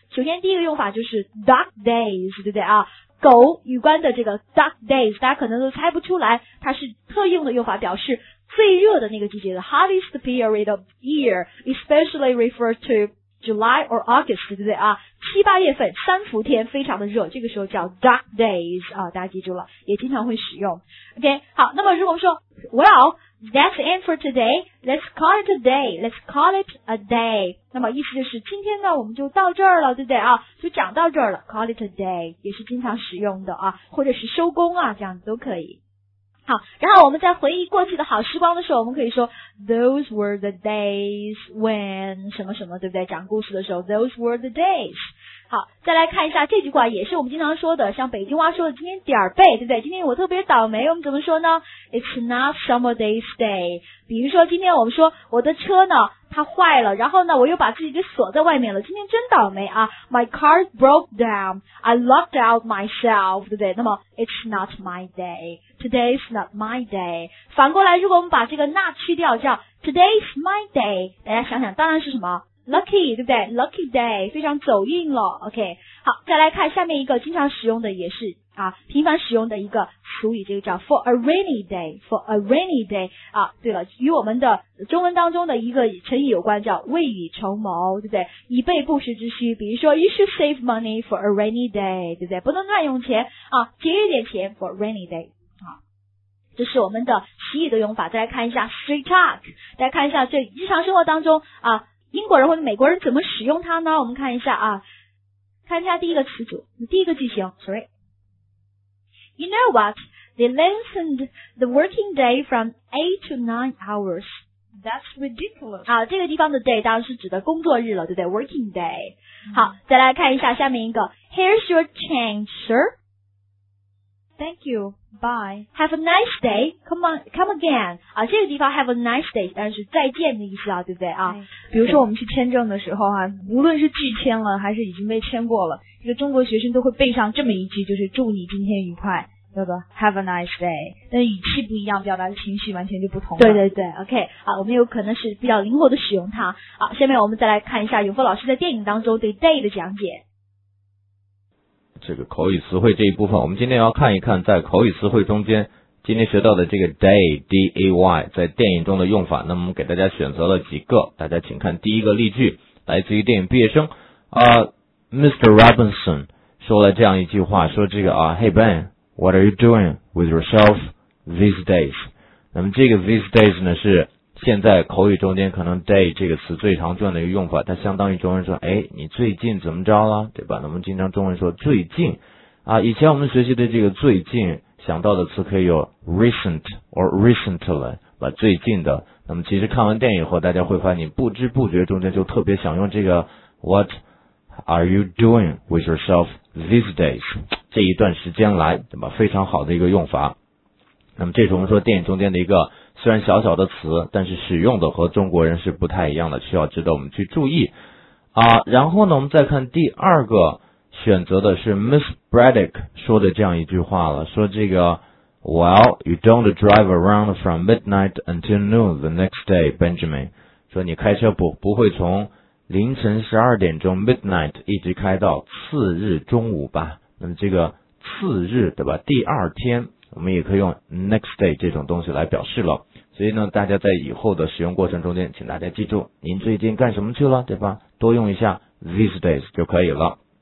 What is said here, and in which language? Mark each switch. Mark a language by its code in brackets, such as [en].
[zh] 首先第一个用法就是 dog days， 对不对啊？狗有关的这个 dog days， 大家可能都猜不出来，它是特用的用法，表示最热的那个季节的 [en] hottest period of year， especially refer to July or August， [zh] 对不对啊？七八月份三伏天非常的热，这个时候叫 dog days 啊，大家记住了，也经常会使用。 [en] OK， [zh] 好，那么如果说 [en] Well, that's the end for today. Let's call it a day. [zh] 那么意思就是今天呢，我们就到这儿了，对不对啊？就讲到这儿了。 [en] Call it a day [zh] 也是经常使用的啊，或者是收工啊，这样都可以。好，然后我们在回忆过去的好时光的时候，我们可以说 [en] those were the days when [zh] 什么什么，对不对？讲故事的时候 [en] those were the days。 [zh] 好，再来看一下这句话，也是我们经常说的，像北京话说的今天点儿背，对不对？今天我特别倒霉，我们怎么说呢？ [en] It's not summer day's day。 [zh] 比如说今天我们说我的车呢它坏了，然后呢我又把自己给锁在外面了，今天真倒霉啊。 [en] My car broke down, I locked out myself, [zh] 对不对？那么 [en] It's not my day, today's not my day。 [zh] 反过来如果我们把这个 not 去掉，叫 [en] today's my day， [zh] 大家想想当然是什么 lucky， 对不对？ [en] lucky day， [zh] 非常走运了。OK， 好，再来看下面一个经常使用的，也是啊频繁使用的一个俗语，这个叫 [en] for a rainy day， [zh] for a rainy day。啊对了，与我们的中文当中的一个成语有关，叫未雨绸缪，对不对？以备不时之需。比如说 [en] you should save money for a rainy day， [zh] 对不对？不能乱用钱啊，节约点钱 [en] for a rainy day。 [zh] 啊这是我们的习语的用法。再来看一下 street talk， 再看一下这日常生活当中啊英国人或者美国人怎么使用它呢？我们看一下啊，看一下第一个词组，第一个句型 sorry。 [en] You know what? They lengthened the working day from 8 to 9 hours. That's ridiculous. [zh] 好，这个地方的 day 当然是指的工作日了，对不对？ [en] Working day.、Mm-hmm. [zh] 好，再来看一下下面一个。 [en] Here's your change, sir. Thank you. Bye. Have a nice day. Come again. [zh] 啊，这个地方 [en] have a nice day [zh] 当然是再见的意思啊，对不对啊？ [en] Nice. [zh] 比如说我们去签证的时候啊，无论是拒签了还是已经被签过了。这个中国学生都会背上这么一句，就是祝你今天愉快，叫做 [en] Have a nice day。 [zh] 但语气不一样，表达的情绪完全就不同了。对对对 OK， 好，我们有可能是比较灵活的使用它。好，下面我们再来看一下永峰老师在电影当中对 day 的讲解。这个口语词汇这一部分，我们今天要看一看在口语词汇中间今天学到的这个 day D-A-Y 在电影中的用法。那么我们给大家选择了几个，大家请看第一个例句，来自于电影毕业生Mr. [en] Robinson [zh] 说了这样一句话，说这个啊 [en] ，Hey Ben, what are you doing with yourself these days？ [zh] 那么这个 these days 呢，是现在口语中间可能 day 这个词最常见的一个用法，它相当于中文说，哎，你最近怎么着了，对吧？那么经常中文说最近啊，以前我们学习的这个最近想到的词可以有 [en] recent or recently， [zh] 把最近的。那么其实看完电影以后，大家会发现你不知不觉中间就特别想用这个 what。 [en] Are you doing with yourself these days? [zh] 这一段时间来，对吧？非常好的一个用法。那么这是我们说电影中间的一个虽然小小的词，但是使用的和中国人是不太一样的，需要值得我们去注意。啊，然后呢我们再看第二个选择的是 Miss Braddock 说的这样一句话了，说这个 [en] Well, you don't drive around from midnight until noon the next day, Benjamin. [zh] 说你开车不会从凌晨12点钟 midnight 一直开到次日中午吧。那么这个次日，对吧，第二天我们也可以用 next day 这种东西来表示了。所以呢大家在以后的使用过程中间，请大家记住您最近干什么去了，对吧，多用一下 [en] these days [zh] 就可以了。